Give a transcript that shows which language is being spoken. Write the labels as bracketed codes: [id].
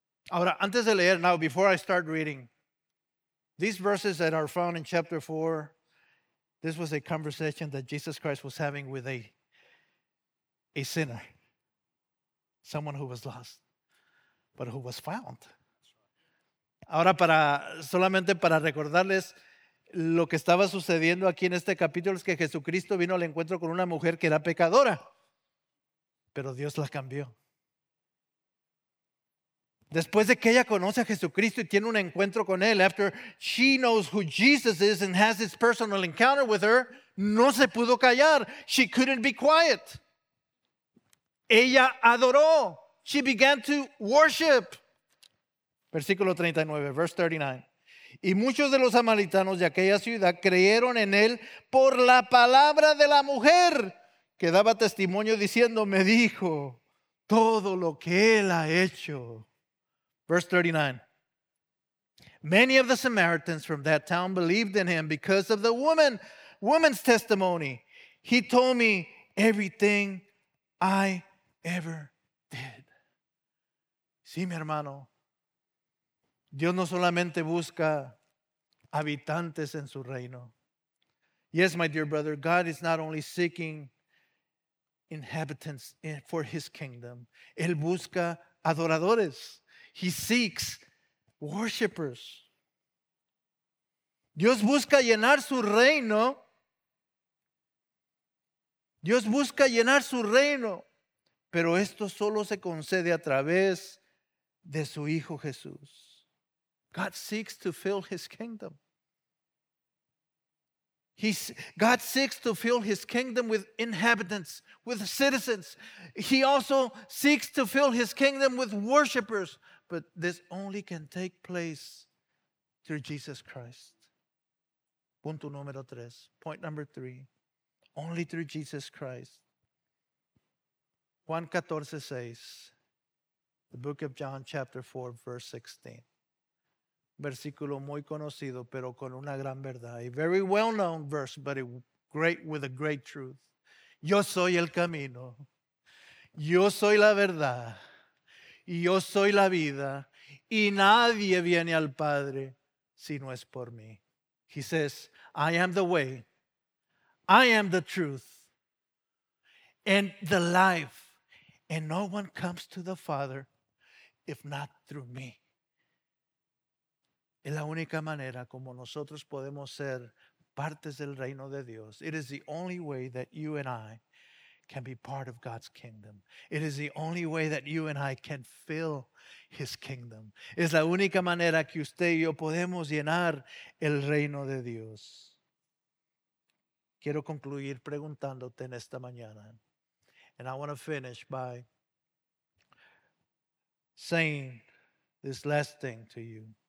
[es] Ahora, antes de leer, [en] now before I start reading, these verses that are found in chapter 4, this was a conversation that Jesus Christ was having with a sinner, someone who was lost, but who was found. [es] Ahora, solamente para recordarles, lo que estaba sucediendo aquí en este capítulo es que Jesucristo vino al encuentro con una mujer que era pecadora, pero Dios la cambió. Después de que ella conoce a Jesucristo y tiene un encuentro con él, [en] after she knows who Jesus is and has this personal encounter with her, [es] no se pudo callar. [en] She couldn't be quiet. [es] Ella adoró. [en] She began to worship. [es] Versículo 39, [en] verse 39. [es] Y muchos de los samaritanos de aquella ciudad creyeron en él por la palabra de la mujer que daba testimonio diciendo, me dijo todo lo que él ha hecho. [en] Verse 39. Many of the Samaritans from that town believed in him because of the woman's testimony. He told me everything I ever did. [es] Sí, mi hermano. Dios no solamente busca habitantes en su reino. [en] Yes, my dear brother, God is not only seeking inhabitants for his kingdom. [es] Él busca adoradores. [en] He seeks worshipers. [es] Dios busca llenar su reino. Dios busca llenar su reino. Pero esto solo se concede a través de su Hijo Jesús. [en] God seeks to fill his kingdom. God seeks to fill his kingdom with inhabitants, with citizens. He also seeks to fill his kingdom with worshipers. But this only can take place through Jesus Christ. [es] Punto número tres. [en] Point number three. Only through Jesus Christ. Juan 14 says, the book of John chapter 4, verse 16. [es] Versículo muy conocido, pero con una gran verdad. [en] A very well-known verse, but with a great truth. [es] Yo soy el camino. Yo soy la verdad. yo soy la vida, y nadie viene al Padre si no es por mí. [en] He says, I am the way, I am the truth, and the life, and no one comes to the Father if not through me. [es] Es la única manera como nosotros podemos ser partes del reino de Dios. [en] It is the only way that you and I can be part of God's kingdom. It is the only way that you and I can fill his kingdom. [es] Es la única manera que usted y yo podemos llenar el reino de Dios. Quiero concluir preguntándote en esta mañana. [en] And I want to finish by saying this last thing to you.